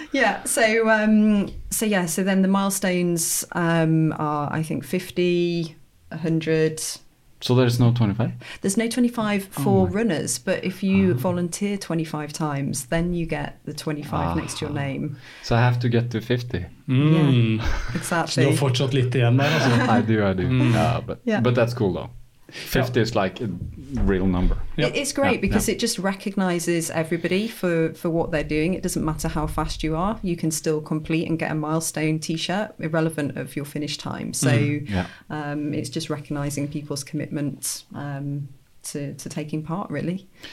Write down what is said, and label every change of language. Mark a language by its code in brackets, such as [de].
[en] Yeah, so then the milestones are, I think, 50, 100. So there's no 25? There's no 25 for runners, but if you volunteer 25 times, then you get the 25 next to your name. So I have to get to 50? Exactly. You're [no] fortsatt litt igjen der, altså. [en] I do. But that's cool, though. 50 is like a real number. Yep. It's great because it just recognizes everybody for what they're doing. It doesn't matter how fast you are. You can still complete and get a milestone t-shirt irrelevant of your finish time. So it's just recognizing people's commitment to taking part, really.